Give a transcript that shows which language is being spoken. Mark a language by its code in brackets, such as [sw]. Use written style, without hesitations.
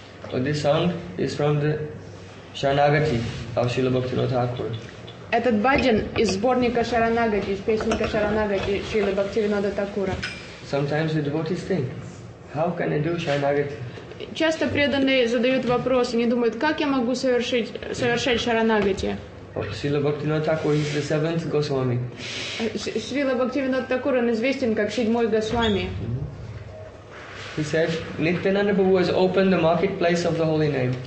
[en] So this song is from the Sharanagati of Srila Bhaktivinoda Thakur. [ru] Этот баджан из сборника Шаранагати, из песни Шаранагати Шрилы Бхактивинода Такура. [en] Sometimes the devotees think, how can I do Шаранагати? [ru] Часто преданные задают вопрос, они думают, как я могу совершать Шаранагати? [en] Шрила Бхактивинода Такура is the seventh Госвами. [ru] Шрила Бхактивинода Такура, он известен как седьмой Госвами. [en] He said, Nityananda Prabhu has opened the marketplace of the holy name.